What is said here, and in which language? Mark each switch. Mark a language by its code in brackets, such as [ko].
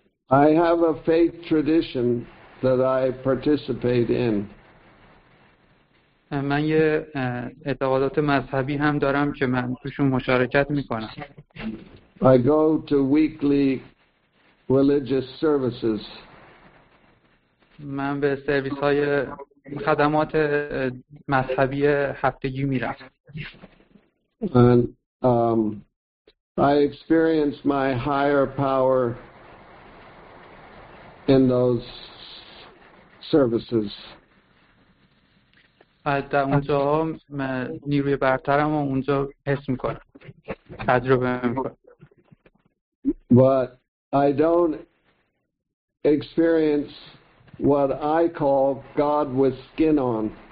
[en] I have a faith tradition that I participate in. [fa] من یه اعتقادات مذهبی هم دارم که من توشون مشارکت میکنم. [en] I go to weekly religious services. [fa] من به سرویس های خدمات مذهبی هفتگی میرم. [en] And I experience my higher power in those services. [fa] در اونجا ها نیروی برترم و اونجا حس میکنم، تجربه میکنم. [en] But I don't experience what I call God with skin on.